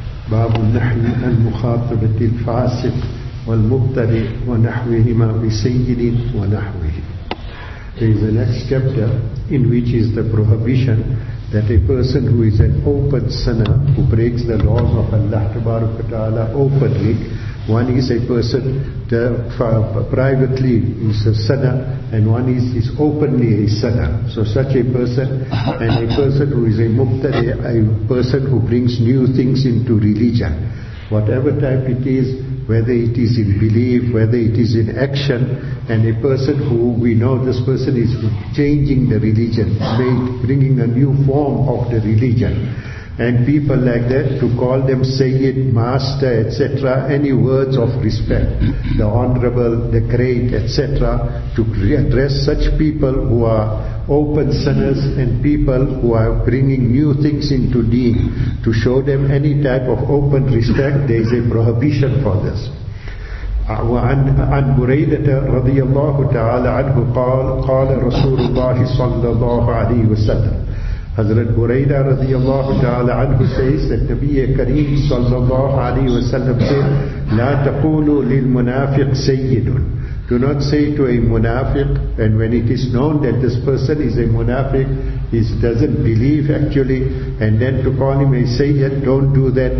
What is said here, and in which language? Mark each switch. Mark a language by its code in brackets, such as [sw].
[ar] باب النحو المخاطبة الفاسق والمبتدئ ونحوهما بسيد ونحوه. [en] There is the next chapter in which is the prohibition that a person who is an open sinner, who breaks the laws of Allah tabaraka ta'ala openly. One is a person privately is a sinner, and one is openly a sinner. So such a person, and a person who is a mubtadi, a person who brings new things into religion, whatever type it is, whether it is in belief, whether it is in action, and a person who we know this person is changing the religion, bringing a new form of the religion. And people like that, to call them Sayyid, Master, etc., any words of respect, the Honorable, the Great, etc., to address such people who are open sinners and people who are bringing new things into deen, to show them any type of open respect, there is a prohibition for this. [ar] عن بريدة رضي الله تعالى عنه قال رسول الله صلى الله عليه وسلم. [en] Hazrat Buraydah radiyallahu ta'ala anhu says that Nabiya Kareem sallallahu alayhi wa sallam said, [ar] لا تقولوا للمنافق سيدٌ. [en] Do not say to a munafiq, and when it is known that this person is a munafiq, he doesn't believe actually, and then to call him a sayyid, don't do that.